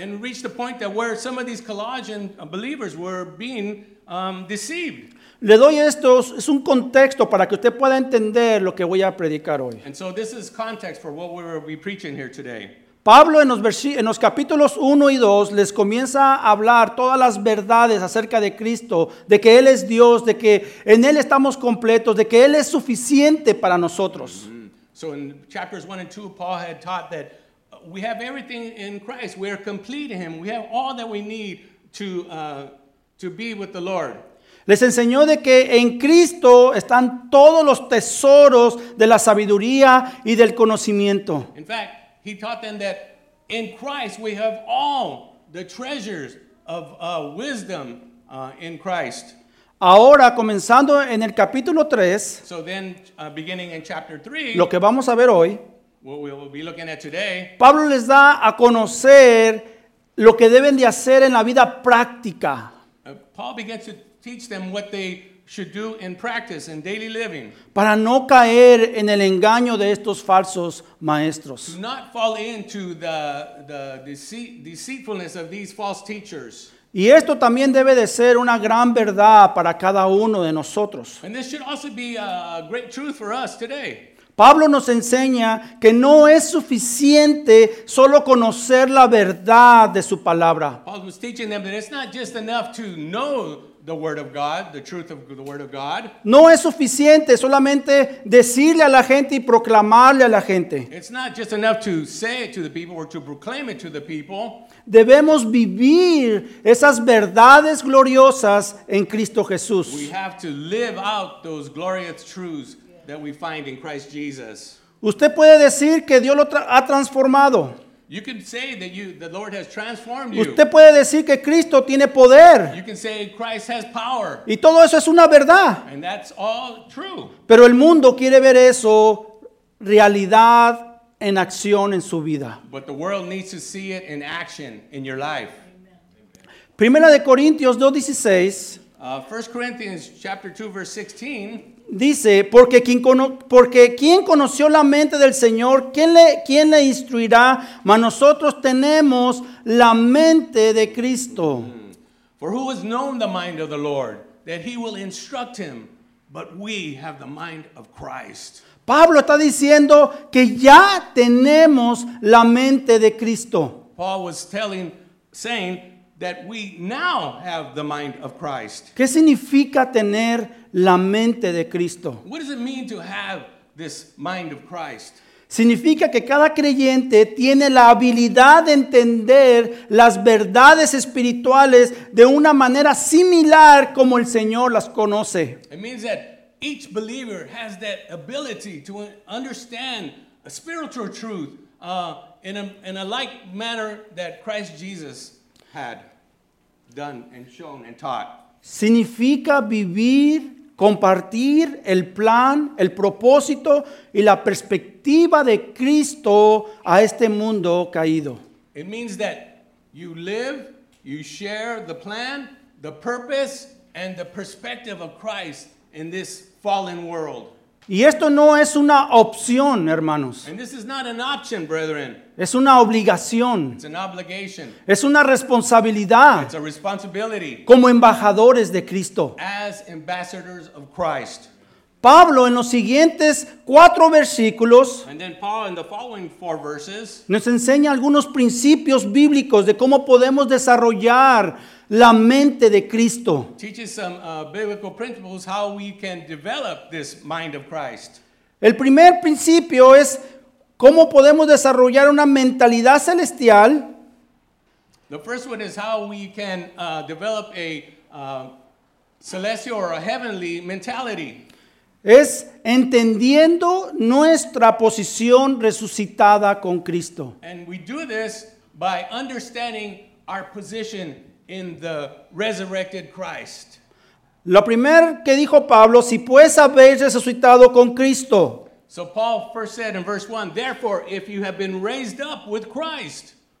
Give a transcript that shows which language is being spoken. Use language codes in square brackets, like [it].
[en] And reached the point that where some of these Colossian believers were being deceived. [es] Le doy esto, es un contexto para que usted pueda entender lo que voy a predicar hoy. [en] And so this is context for what we will be preaching here today. [es] Pablo en los capítulos 1 y 2 les comienza a hablar todas las verdades acerca de Cristo, de que Él es Dios, de que en Él estamos completos, de que Él es suficiente para nosotros. [en] So in chapters 1 and 2, Paul had taught that we have everything in Christ. We are complete in Him. We have all that we need to be with the Lord. [es] Les enseñó de que en Cristo están todos los tesoros de la sabiduría y del conocimiento. [en] In fact, he taught them that in Christ we have all the treasures of wisdom in Christ. [es] Ahora, comenzando en el capítulo 3, [en] so then, beginning in chapter 3, [es] lo que vamos a ver hoy, [en] what we will be looking at today, [es] Pablo les da a conocer lo que deben de hacer en la vida práctica. [en] Paul begins to teach them what they should do in practice in daily living. [es] Para no caer en el engaño de estos falsos maestros. [en] To not fall into the deceitfulness of these false teachers. [es] Y esto también debe de ser una gran verdad para cada uno de nosotros. [en] And this should also be a great truth for us today. [es] Pablo nos enseña que no es suficiente solo conocer la verdad de su palabra. [en] Paul was teaching them that it's not just enough to know the word of God, the truth of the word of God. [es] No es suficiente solamente decirle a la gente y proclamarle a la gente. [en] It's not just enough to say it to the people or to proclaim it to the people. [es] Debemos vivir esas verdades gloriosas en Cristo Jesús. [en] We have to live out those glorious truths that we find in Christ Jesus. [es] Usted puede decir que Dios lo ha transformado. [en] You can say that the Lord has transformed you. [es] Usted puede decir que Cristo tiene poder. [en] You can say Christ has power. [es] Y todo eso es una verdad. [en] And that's all true. [es] Pero el mundo quiere ver eso realidad en acción en su vida. [en] But the world needs to see it in action in your life. [es] Primera de Corintios 2:16. [en] 1 Corinthians chapter 2 verse 16. [es] Dice, porque quien conoció la mente del Señor, ¿quién le instruirá? Mas nosotros tenemos la mente de Cristo. [en] For who has known the mind of the Lord, that he will instruct him, but we have the mind of Christ. [es] Pablo está diciendo que ya tenemos la mente de Cristo. [en] Paul was saying that we now have the mind of Christ. [es] ¿Qué significa tener la mente de Cristo? [en] What does it mean to have this mind of Christ? [es] Significa que cada creyente tiene la habilidad de entender las verdades espirituales de una manera similar como el Señor las conoce. [en] It means that each believer has that ability to understand a spiritual truth in a like manner that Christ Jesus had done and shown and taught. [es] significa vivir, compartir el plan, el propósito y la perspectiva de Cristo a este mundo caído. [en] It means that you live, you share the plan, the purpose, and the perspective of Christ in this fallen world. [es] Y esto no es una opción, hermanos. [en] And this is not an option, brethren. [es] Es una obligación. [en] It's an obligation. [es] Es una responsabilidad. [en] It's a responsibility. [es] Como embajadores de Cristo. [en] As ambassadors of Christ. [es] Pablo, en los siguientes cuatro versículos, [en] and then Paul, in the following four verses, [es] nos enseña algunos principios bíblicos de cómo podemos desarrollar la mente de Cristo. [en] Teaches some biblical principles how we can develop this mind of Christ. [es] El primer principio es cómo podemos desarrollar una mentalidad celestial. [en] The first one is how we can develop a celestial or a heavenly mentality. [es] Es entendiendo nuestra posición resucitada con Cristo. [en] And we do this by understanding our position in the resurrected Christ. [es] Lo primero que dijo Pablo, si pues habéis resucitado con Cristo. [en] So Paul first said in verse 1, therefore if you have been raised up with Christ.